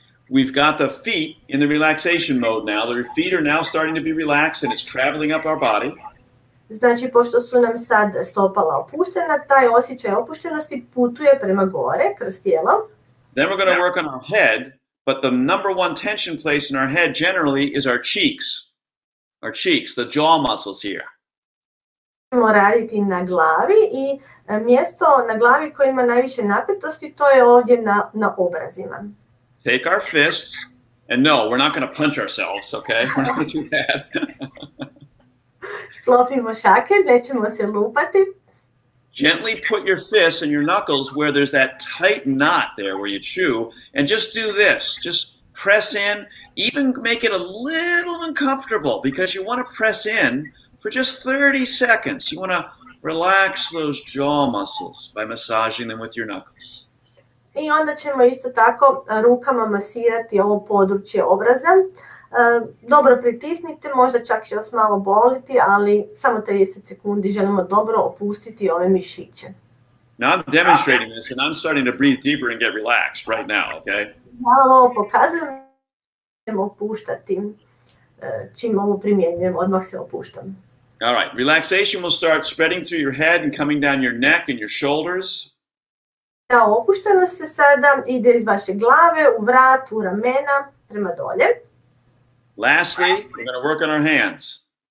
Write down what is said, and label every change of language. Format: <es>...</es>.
<en>We've got the feet in the relaxation mode now. The feet are now starting to be relaxed and it's traveling up our body.</en> <hr>Znači, pošto su nam sad stopala opuštena, taj osjećaj opuštenosti putuje prema gore, kroz tijelo.</hr> <en>Then we're going to work on our head, but the number one tension place in our head generally is our cheeks. Our cheeks, the jaw muscles here.</en> <hr>Moramo raditi na glavi I mjesto na glavi koje ima najviše napetosti, to je ovdje na obrazima.</hr> <en>Take our fists, and no, we're not going to punch ourselves, okay? We're not going to do that.</en> <hr>Sklopimo šake, nećemo se lupati.</hr> <en>gently put your fists and your knuckles where there's that tight knot there where you chew, and just do this. Just press in, even make it a little uncomfortable, because you want to press in for just 30 seconds. You want to relax those jaw muscles by massaging them with your knuckles.</en> <hr>I onda ćemo isto tako rukama masirati ovo područje obraza. Dobro pritisnite, možda čak će vas malo boliti, ali samo 30 sekundi želimo dobro opustiti ove mišiće.</hr> <en>Now I'm demonstrating this and I'm starting to breathe deeper and get relaxed right now, okay?</en> <hr>Malo ovo pokazujem, ćemo opuštati. Čim ovo primjenjujem, odmah se opuštam.</hr> <en>All right, relaxation will start spreading through your head and coming down your neck and your shoulders.</en> <hr>Da, opušteno se sada ide iz vaše glave, u vrat, u ramena, prema dolje.</hr> <en>Lastly, we're going to work on our hands.</en>